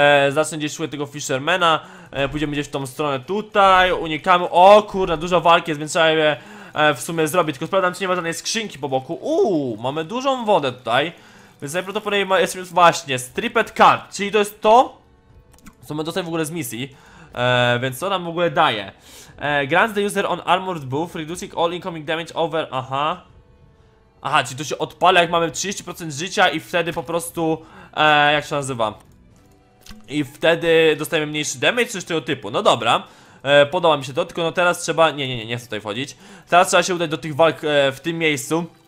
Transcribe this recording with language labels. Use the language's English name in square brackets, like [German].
[Polish] Zacznę gdzieś szukać tego fishermana. Pójdziemy gdzieś w tą stronę tutaj. Unikamy, o kurna, dużo walki jest, więc trzeba je w sumie zrobić. Tylko sprawdzam, czy nie ma żadnej skrzynki po boku. Mamy dużą wodę tutaj. Więc najprawdopodobniej jestem już właśnie Stripped Card, czyli to jest to, co my dostajemy w ogóle z misji. Więc co nam w ogóle daje? [English] Grants the user on armored buff, reducing all incoming damage over. Aha. [Polish] Aha, czyli to się odpala, jak mamy 30% życia, i wtedy po prostu. Jak się nazywa? I wtedy dostajemy mniejszy damage, coś tego typu. No dobra. Podoba mi się to, tylko no teraz trzeba. Nie chcę tutaj wchodzić. Teraz trzeba się udać do tych walk w tym miejscu.